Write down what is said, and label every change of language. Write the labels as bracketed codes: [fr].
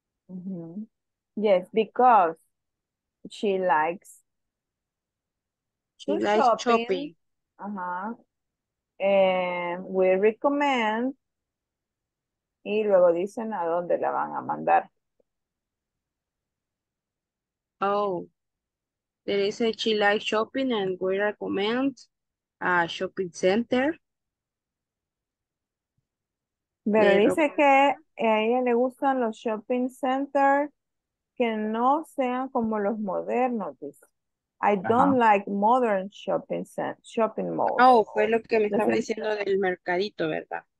[en] Mm-hmm. Yes, because she likes. She likes shopping. Uh-huh. And we recommend. [es] Y luego dicen a dónde la van a mandar. [en] Oh, there is a she likes shopping and we recommend a shopping center. [es] Pero dice que a ella le gustan los shopping centers que no sean como los modernos. [en] I don't like modern shopping malls. [es] Oh, fue lo que me estaba diciendo del mercadito, ¿verdad?